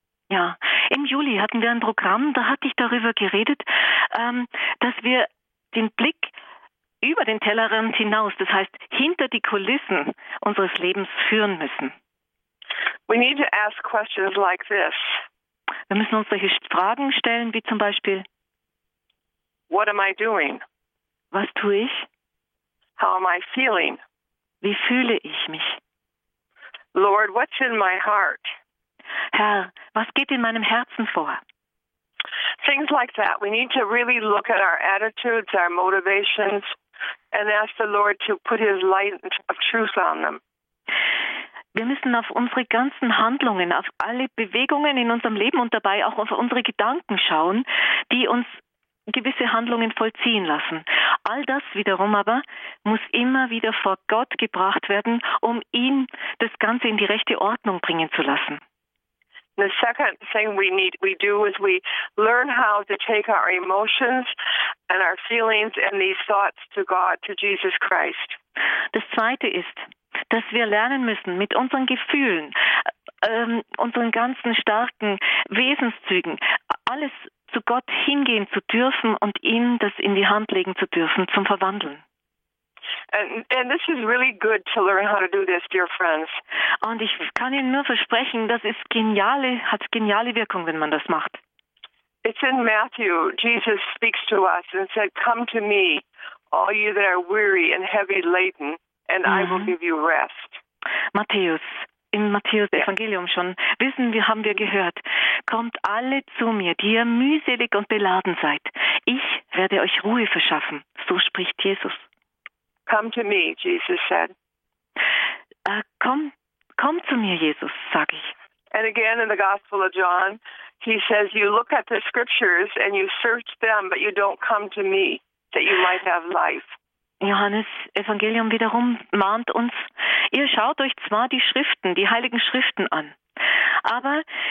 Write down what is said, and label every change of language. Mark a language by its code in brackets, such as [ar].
[de] Ja, im Juli hatten wir ein Programm, da hatte ich darüber geredet, dass wir den Blick über den Tellerrand hinaus, das heißt hinter die Kulissen unseres Lebens führen müssen. [en] We need to ask questions like this. [de] Wir müssen uns solche Fragen stellen, wie zum Beispiel: [en] What am I doing? [de] Was tue ich? [en] How am I feeling? [de] Wie fühle ich mich? [en] Lord, what's in my heart? [de] Herr, was geht in meinem Herzen vor? [en] Things like that. We need to really look at our attitudes, our motivations, and ask the Lord to put His light of truth on them. [de] Wir müssen auf unsere ganzen Handlungen, auf alle Bewegungen in unserem Leben und dabei auch auf unsere Gedanken schauen, die uns gewisse Handlungen vollziehen lassen. All das wiederum aber muss immer wieder vor Gott gebracht werden, um ihn das Ganze in die rechte Ordnung bringen zu lassen. [en] The second thing we do is we learn how to take our emotions and our feelings and these thoughts to God, to Jesus Christ. [de] Das zweite ist, dass wir lernen müssen, mit unseren Gefühlen, unseren ganzen starken Wesenszügen, alles zu Gott hingehen zu dürfen und ihm das in die Hand legen zu dürfen, zum Verwandeln. [en] And this is really good to learn how to do this, dear friends. [de] Und ich kann Ihnen nur versprechen, das ist geniale, hat geniale Wirkung, wenn man das macht. [en] It's in Matthew, Jesus speaks to us and said, come to me, all you that are weary and heavy laden, and I will give you rest. [de] Matthäus, im Matthäus-Evangelium schon, haben wir gehört, kommt alle zu mir, die ihr mühselig und beladen seid. Ich werde euch Ruhe verschaffen, so spricht Jesus. [en] Come to me, Jesus said. [de] Komm zu mir, Jesus, sag ich. [en] And again in the Gospel of John, he says, you look at the scriptures and you search them, but you don't come to me, that you might have life. [de] Johannes Evangelium wiederum mahnt uns, ihr schaut euch zwar die Schriften, die heiligen Schriften an, aber